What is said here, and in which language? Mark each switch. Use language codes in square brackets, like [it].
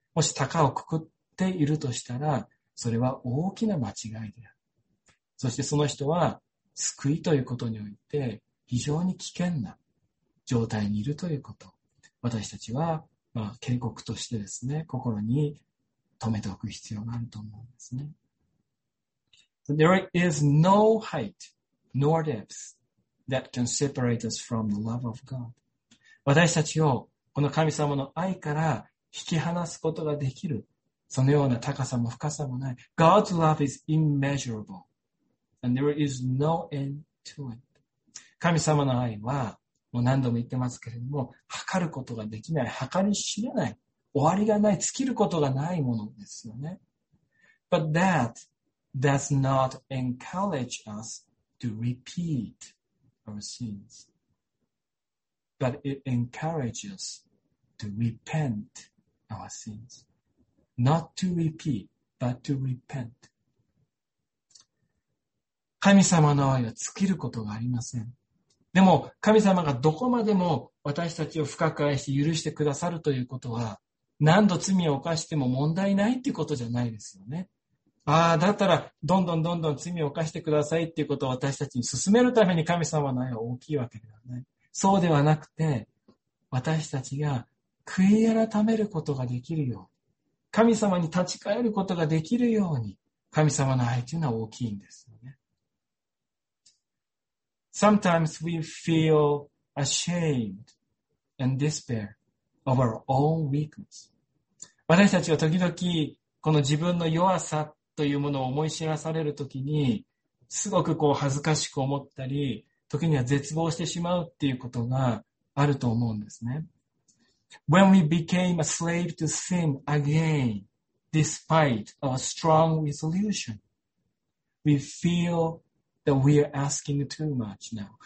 [ja] もし鷹をくくっているとしたら、それは大きな間違いである。そしてその人は救いということにおいて非常に危険な状態にいるということ。私たちは、まあ、警告としてですね、心に留めておく必要があると思うんですね。 [en] So、there is no height nor depth that can separate us from the love of God. [ja] 私たちをこの神様の愛から引き離すことができる、そのような高さも深さもない。 [en] God's love is immeasurable, and there is no end to it. [ja] 神様の愛は、もう何度も言ってますけれども、測ることができない、計り知れない、終わりがない、尽きることがないものですよね。 [en] But that does not encourage us to repeat our sins. But it encourages to repent our sins. Not to repeat, but to repent. [ja] 神様の愛は尽きることがありません。でも神様がどこまでも私たちを深く愛して許してくださるということは、何度罪を犯しても問題ないっていうことじゃないですよね。ああ、だったらどんどんどんどん罪を犯してくださいっていうことを私たちに進めるために神様の愛は大きいわけではない。そうではなくて、私たちが悔い改めることができるように、神様に立ち返ることができるように、神様の愛というのは大きいんですよね。 [en] Sometimes we feel ashamed and despair of our own weakness. [ja] 私たちは時々この自分の弱さというものを思い知らされるときに、すごくこう恥ずかしく思ったり、時には絶望してしまうっていうことがあると思うんですね。 [en] When we became a slave to sin again, despite our strong resolution, we feel that we are asking too much now.